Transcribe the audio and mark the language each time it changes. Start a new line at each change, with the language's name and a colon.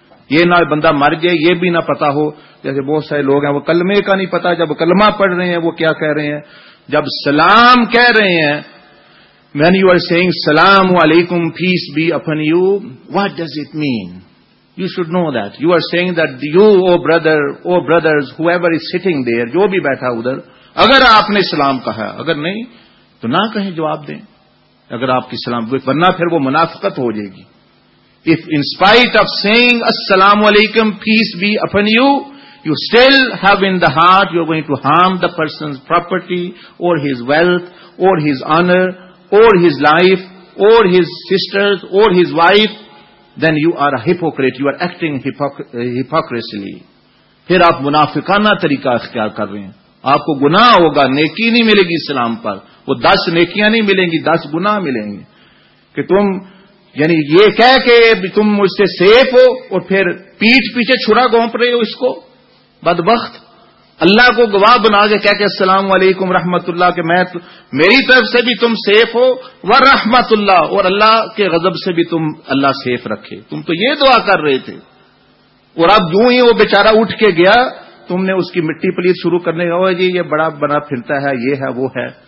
Urdu: یہ نہ بندہ مر جائے یہ بھی نہ پتا ہو، جیسے بہت سارے لوگ ہیں وہ کلمے کا نہیں پتا، جب کلمہ پڑھ رہے ہیں وہ کیا کہہ رہے ہیں، جب سلام کہہ رہے ہیں
English: when you are saying
Urdu: سلام علیکم
English: peace be upon you, what does it mean? You should know that. You are saying that you, oh brother, oh brothers, whoever is sitting there,
Urdu: جو بھی بیٹھا ادھر، اگر آپ نے سلام کہا، اگر نہیں تو نہ کہیں، جواب دیں اگر آپ کی سلام، ورنہ پھر وہ منافقت ہو جائے گی.
English: If in spite of saying السلام علیکم peace be upon you, you still have in the heart you are going to harm the person's property or his wealth or his honor or his life or his sisters or his wife, then you are a hypocrite, you are acting hypocrisy.
Urdu: پھر آپ منافقانہ طریقہ اختیار کر رہے ہیں، آپ کو گناہ ہوگا، نیکی نہیں ملے گی سلام پر، وہ دس نیکیاں نہیں ملیں گی، دس گناہ ملیں گے. کہ تم یعنی یہ کہہ کہ تم مجھ سے سیف ہو اور پھر پیٹ پیچھے چھڑا گھونپ رہے ہو اس کو، بدبخت، اللہ کو گواہ بنا کے کہہ کے السلام علیکم رحمت اللہ، کہ میں میری طرف سے بھی تم سیف ہو و رحمت اللہ، اور اللہ کے غضب سے بھی تم اللہ سیف رکھے، تم تو یہ دعا کر رہے تھے، اور اب جو ہی وہ بیچارہ اٹھ کے گیا تم نے اس کی مٹی پلیت شروع کرنے کا، جی یہ بڑا بنا پھرتا ہے، یہ ہے وہ ہے.